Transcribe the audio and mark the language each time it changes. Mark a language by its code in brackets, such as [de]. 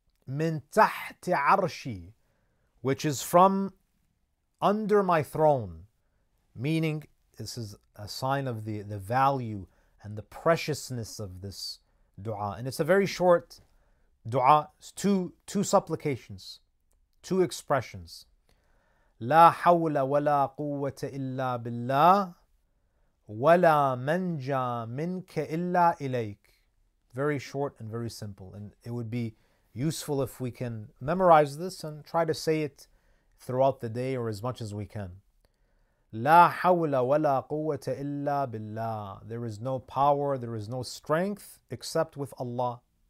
[ar] مِن تَحْتِ عَرْشِي, [en] which is from under my throne, meaning this is a sign of the value and the preciousness of this dua. And it's a very short dua, two supplications, two expressions. [ar] لا حول ولا قوة إلا بالله ولا منجا منك إلا إليك. [en] Very short and very simple. And it would be useful if we can memorize this and try to say it throughout the day or as much as we can. [ar] لا حول ولا قوة إلا بالله. [en] There is no power, there is no strength except with Allah.